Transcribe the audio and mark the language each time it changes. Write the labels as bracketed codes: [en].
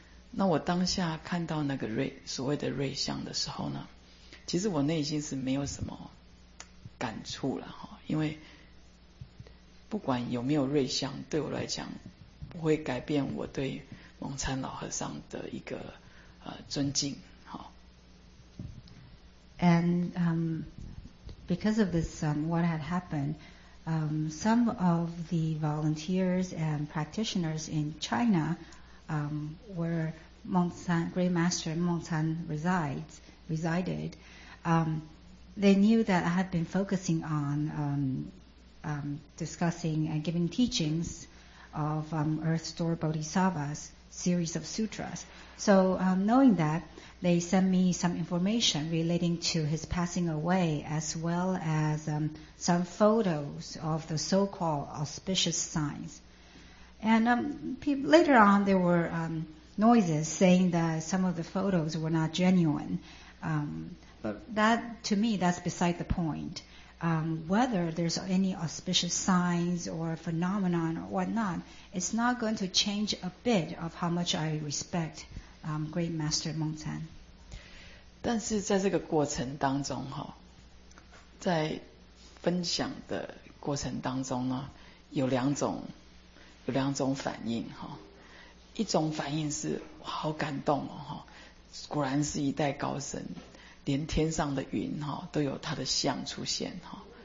[zh] 那我当下看到那个所谓的瑞相的时候呢，其实我内心是没有什么感触了哈，因为不管有没有瑞相，对我来讲不会改变我对蒙参老和尚的一个尊敬哈。 [en] And because of this, what had happened, some of the volunteers and practitioners in China, where Meng Chan, Great Master Meng Chan resided, they knew that I had been focusing on discussing and giving teachings of Earth Store Bodhisattva's series of sutras. So, knowing that, they sent me some information relating to his passing away, as well as some photos of the so-called auspicious signs. And later on, there were noises saying that some of the photos were not genuine. But that, to me, that's beside the point. Whether there's any auspicious signs or phenomenon or whatnot, it's not going to change a bit of how much I respect Great Master Meng Chan. [zh] 但是在这个过程当中，哈，在分享的过程当中呢，有两种反应哈。一种反应是好感动哦，果然是一代高僧，连天上的云都有他的像出现哈。